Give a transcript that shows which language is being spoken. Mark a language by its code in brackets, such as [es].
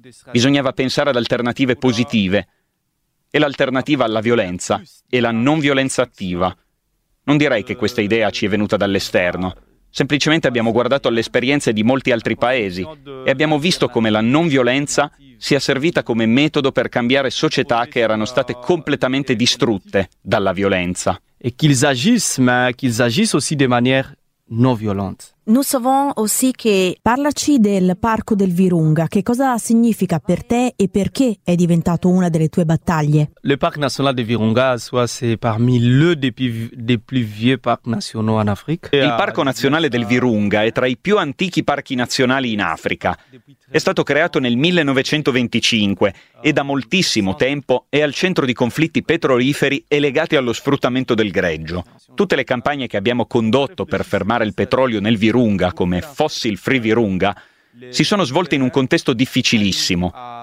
[it] Bisognava pensare ad alternative positive. E l'alternativa alla violenza è la non violenza attiva. Non direi che questa idea ci è venuta dall'esterno. Semplicemente abbiamo guardato alle esperienze di molti altri paesi e abbiamo visto come la non violenza sia servita come metodo per cambiare società che erano state completamente distrutte dalla violenza. [fr] E qu'ils agissent, ma qu'ils agissent aussi de manière non violente. Nous savons aussi que... [it] Parlaci del Parco del Virunga. Che cosa significa per te e perché è diventato una delle tue battaglie? [fr] Le Parc National de Virunga, soit c'est parmi l'un des plus vieux parcs nationaux en Afrique. [it] Il Parco Nazionale del Virunga è tra i più antichi parchi nazionali in Africa. È stato creato nel 1925 e da moltissimo tempo è al centro di conflitti petroliferi e legati allo sfruttamento del greggio. Tutte le campagne che abbiamo condotto per fermare il petrolio nel Virunga, come Fossil Free Virunga, si sono svolte in un contesto difficilissimo.